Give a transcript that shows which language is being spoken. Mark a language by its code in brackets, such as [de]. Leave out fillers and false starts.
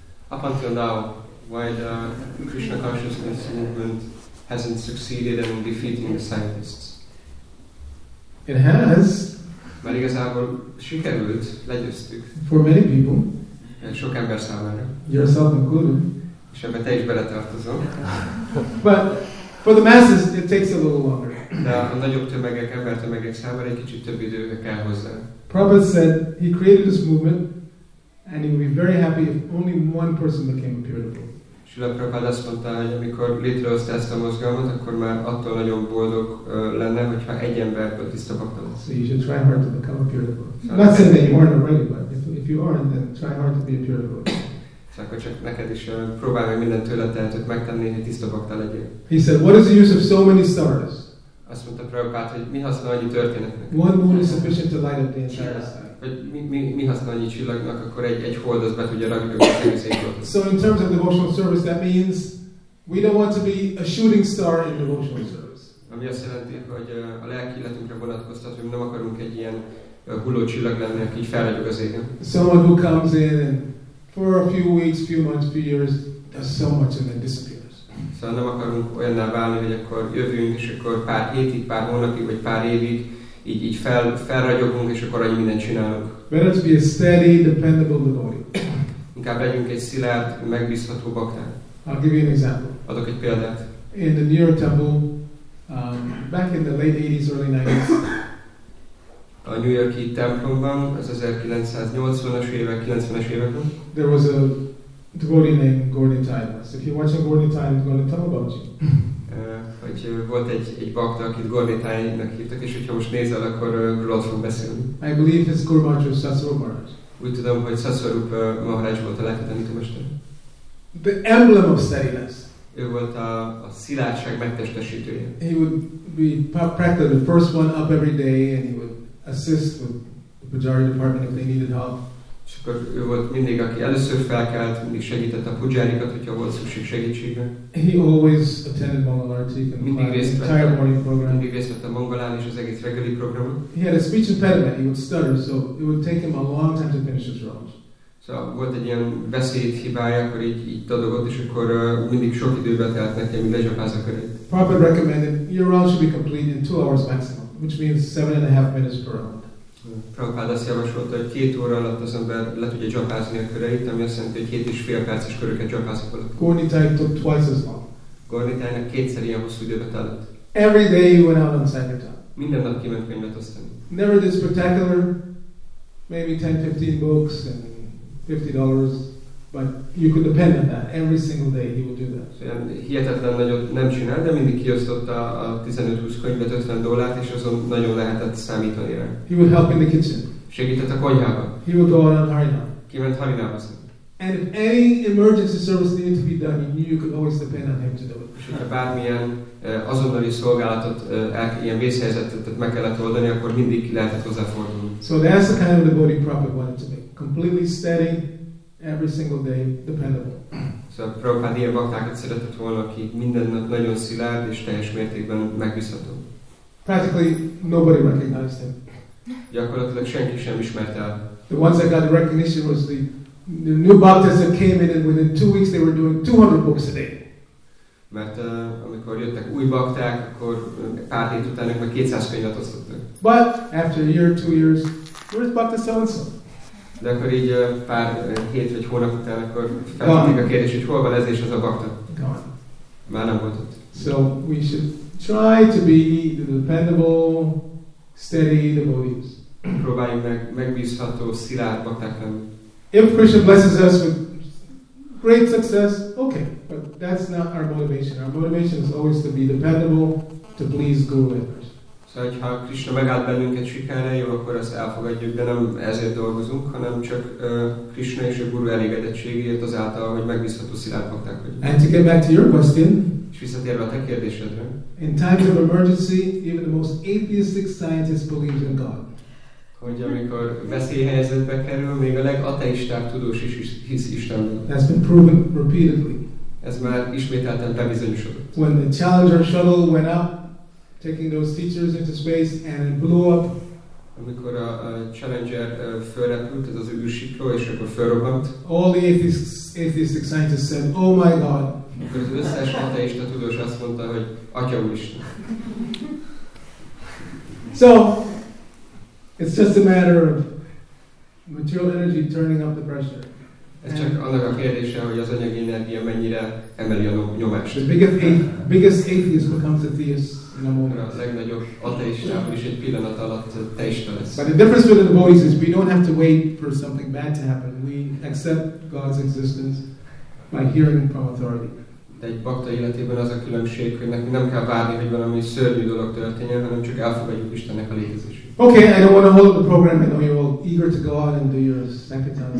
[en] Up until now, why the Krishna consciousness movement hasn't succeeded in defeating the scientists? It has. [hu] Mert igazából sikerült, legyőztük. [en] For many people. [hu] Sok ember számára. [en] Yourself included. [hu] És ebbe te is beletartozol. [en] But for the masses, it takes a little longer. [hu] De a nagyobb tömegek, ember tömegek számára egy kicsit több idő kell hozzá. [en] Prabhupada said he created this movement, and he would be very happy if only one person became a pure devotee. [hu] Srila Prabhupada azt mondta, hogy amikor létrehozta ezt a mozgalmat, akkor már attól nagyon boldog lenne, hogyha egy emberből tiszta bhakta lesz. [en] So you should try hard to become a pure devotee. I'm not saying that you aren't already, but if you aren't, then try hard to be a pure devotee. [hu] So akkor csak neked is próbálj meg minden tőle tehetőt megtenni, hogy tiszta bhakta legyél. [en] He said, what is the use of so many stars? [hu] Azt mondta Prabhupada, hogy mi haszna annyi történetnek? [en] One moon is sufficient to light up the entire sky. [hu] Mi haszna annyi csillagnak, akkor egy hold az be tudja rakni az egész égbolt. [en] So in terms of devotional service, that means we don't want to be a shooting star in devotional service. [hu] Ami azt jelenti, hogy a lelki életünkre vonatkoztat, hogy nem akarunk egy ilyen hulló csillag lenni, aki így felragyog az égen. [en] Someone who comes in and for a few weeks, few months, few years, does so much and then disappears. [hu] Szóval nem akarunk olyanná válni, hogy akkor jövünk, és akkor pár hétig, pár hónapig, vagy pár évig, így felragyogunk, és akkor annyi mindent csinálunk. [en] Better to be a steady, dependable devotee. [hu] Inkább legyünk egy szilárd, megbízható baktán. [en] I'll give you an example. [hu] Adok egy példát. [en] In the Nyira temple, Back in the late 80s, early 90s. [hu] A New York-i templomban, az 1980-as évek, 90-es években. [en] There was a devotee named Gordon Tylos. If you're watching Gordon Tylos, he's going to tell about you. [hu] Hogy volt egy bakta, akit Gordon Tylosnak hívtak, és hogyha most nézel, akkor róla fog beszélni. [en] I believe it's Guru Maharaj of Satsvarupa Maharaj. [hu] Úgy tudom, hogy Satsvarupa Maharaj volt a legtöbbet a mester. [en] The emblem of steadiness. [hu] Ő volt a szilárdság megtestesítője. [en] He would be practically the first one up every day, and he would assist with the pujari department if they needed help. [hu] És akkor ő volt mindig, aki először felkelt, mindig segített a pujárikat, hogyha volt szükség segítségre. [en] He always attended Mangalartik and the entire morning program. [hu] Mindig részt vett a Mangalán és az egész reggeli programon. [en] He had a speech impediment, he would stutter, so it would take him a long time to finish his rounds. [hu] So, volt egy ilyen beszédhibája, akkor így tadogott, és akkor mindig sok időbe telt neki, amíg lezsapázza körét. [en] Prabhupada recommended your round should be complete in 2 hours maximum, which means 7.5 minutes per round. [hu] Prabhupada azt javasolta, hogy 2 óra alatt az ember le tudja dzsapázni a köreit, ami azt jelenti, hogy 2.5 perces köröket dzsapázok alatt. [en] Gordon Tylos took twice as long. [hu] Gordon Tylosnak kétszer ilyen hosszú időbe telt. [en] Every day he went out on sankirtan. [hu] Minden nap kiment könyvet osztani. [en] Never this spectacular, maybe 10-15 books and $50, but you could depend on that. Every single day he would do that. [hu] Hihetetlen nagyot nem csinál, de mindig kiosztotta a 15-20 könyvet, $50, és azon nagyon lehetett számítani rá. [en] He would help in the kitchen. [hu] Segített a konyhában. [en] He would go out on harinam. [hu] Kiment harinamhoz. [en] And if any emergency service needed to be done, he knew you could always depend on him to do it. [hu] És hogyha bármilyen azonnali szolgálatot, ilyen vészhelyzetet meg kellett oldani, akkor mindig ki lehetett hozzáfordulni. [en] So that's the kind of devotee Prabhupada wanted to make. Completely steady, every single day, dependable. [hu] So Prabhupada ilyen baktákat szeretett volna, aki minden nap nagyon szilárd és teljes mértékben megbízható. [en] Practically nobody recognized him. [hu] Gyakorlatilag senki sem ismerte el. [en] The ones that got the recognition was the new baktas that came in, and within 2 weeks they were doing 200 books a day. [hu] Mert amikor jöttek új bakták, akkor pár hét után ők meg 200 könyvet osztottak. [en] But after a year, 2 years, where is Bhakta so-and-so? [hu] De akkor így pár hét vagy hónap után akkor feltették a kérdés, hogy hol van ez és az a bakta. [en] Gone. [hu] Már nem volt ott. [en] So we should try to be the dependable, steady devotees. [hu] Próbáljunk meg megbízható, szilárd bakták lenni. [en] If Krishna blesses us with great success, okay, but that's not our motivation. Our motivation is always to be dependable, to please Guru members. [hu] So, hogyha Krishna megáld bennünket sikerre, jó, akkor ezt elfogadjuk, de nem ezért dolgozunk, hanem csak Krishna és a Guru elégedettségéért azáltal, hogy megbízható szilárd bakták vagyunk. [en] And to get back to your question, [hu] és visszatérve a te kérdésedre, [en] in times of emergency, even the most atheistic scientists believe in God. [hu] Hogy amikor veszélyhelyzetbe kerül, még a legateistább tudós is hisz Istenben. [en] That's been proven repeatedly. [hu] Ez már ismételten bebizonyosodott. [en] When the Challenger shuttle went up, taking those teachers into space, and it blew up. [hu] Amikor a Challenger felrepült, ez az űrsikló, és akkor felrobbant. [en] All the atheistic scientists said, oh my God. [hu] Akkor az összes ateista tudós azt mondta, hogy Atya Úristen. [en] So, it's just a matter of material energy turning up the pressure. [hu] Ez csak annak a kérdése, hogy az anyagi energia mennyire emeli a nyomást. [en] The biggest atheist becomes a theist in a moment. [hu] A legnagyobb ateista is egy pillanat alatt teista lesz. [en] But the difference with the devotees is we don't have to wait for something bad to happen. We accept God's existence by hearing from authority. [hu] De egy bakta életében az a különbség, hogy nekünk nem kell várni, hogy valami szörnyű dolog történjen, hanem csak elfogadjuk Istennek a létezését. [en] Okay, I don't want to hold up the program. I know you're all eager to go out and do your sankirtan.